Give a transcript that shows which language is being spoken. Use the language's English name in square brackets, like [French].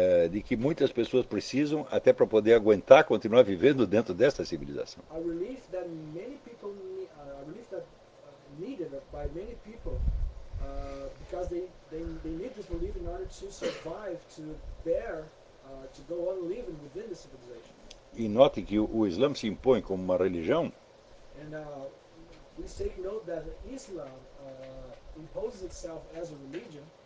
[Portuguese] De que muitas pessoas precisam até para poder aguentar continuar vivendo dentro desta civilização. [English] A relief that many people a relief that needed by many people because they need this relief in order to survive, to bear to go on living within the civilization. [Portuguese] E note que o Islã se impõe como uma religião. [English] And please take note that Islam imposes itself as a religion.